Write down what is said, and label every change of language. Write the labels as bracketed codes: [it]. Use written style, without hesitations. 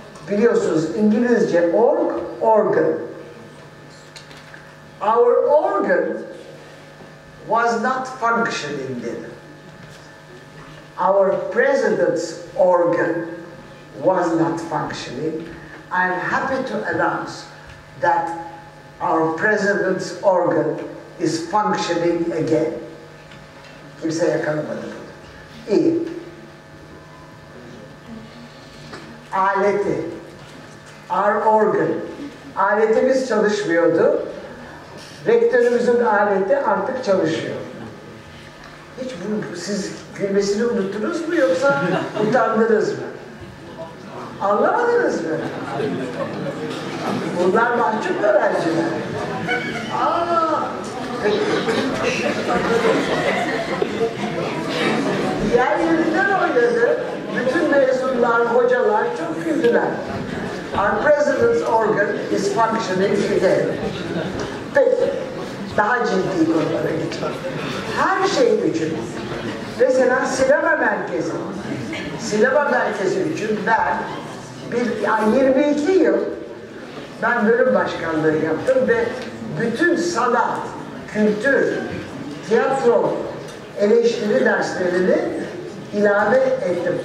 [tr] Biliyorsunuz İngilizce org, organ. [en] Our organ was not functioning [tr] dedim. [en] Our president's organ was not functioning. I'm happy to announce that our president's organ is functioning again. [tr] Kimse yakalamadı bunu. İyi. Aleti. [en] Our organ. [tr] Aletimiz çalışmıyordu. Rektörümüzün aleti artık çalışıyor. Hiç bu, siz gülmesini unuttunuz mu yoksa utandınız mı? Anlamadınız mı? Bunlar mahcup öğrenciler. Aa! Yer yerinden oynadı. Bütün mezunlar, hocalar çok güldüler. [en] Our president's organ is functioning today. [tr] Peki, daha ciddi konulara geçelim. Her şey için, mesela sinema merkezi. Sinema merkezi için ben, yani 22 yıl ben bölüm başkanlığı yaptım ve bütün sanat, kültür, tiyatro, eleştiri derslerini ilave ettim.